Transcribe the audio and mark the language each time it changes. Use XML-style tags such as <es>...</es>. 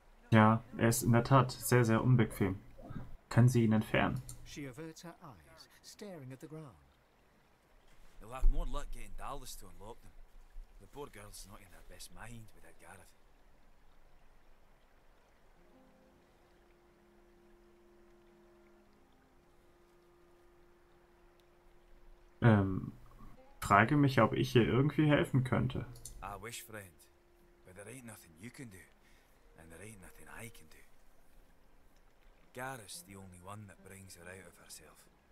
<de>Ja, ist in der Tat sehr, sehr unbequem. Können Sie ihn entfernen?</de> <en>She averts her eyes, staring at the ground. They'll have more luck getting Dallas to unlock them. The poor girl's not in her best mind without Gareth.</en> <de>Frage mich, ob ich hier irgendwie helfen könnte.</de> <en>I wish, friend, but there ain't nothing you can do, and there ain't nothing I can do. Gareth's the only one that brings her out of herself.</en>